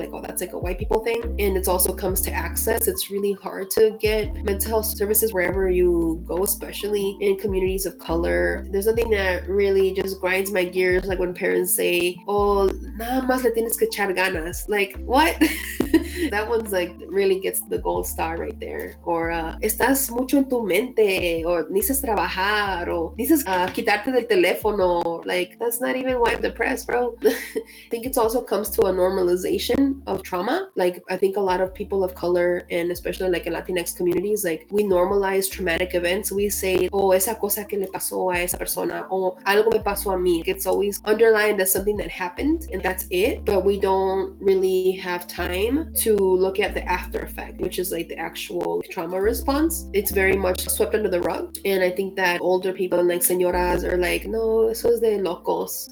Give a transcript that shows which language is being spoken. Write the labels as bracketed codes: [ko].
[en] Like, oh, that's like a white people thing. And it also comes to access. It's really hard to get mental health services wherever you go, especially in communities of color. There's something that really just grinds my gears, like when parents say, oh, [es] nada más le tienes que echar ganas. [en] Like, what? That one's like really gets the gold star right there. [es] Or, estás mucho en tu mente, or necesitas trabajar, or necesitas quitarte del teléfono. [en] Like, that's not even why I'm depressed, bro. I think it also comes to a normalization of trauma. Like, I think a lot of people of color, and especially like in Latinx communities, like, we normalize traumatic events. We say, oh, [es] esa cosa que le pasó a esa persona, o algo me pasó a mí. [en] It's always underlined as something that happened, and that's it. But we don't really have time to look at the after effect, which is like the actual trauma response. It's very much swept under the rug. And I think that older people, like señoras, are like, [es] no, eso es de locos.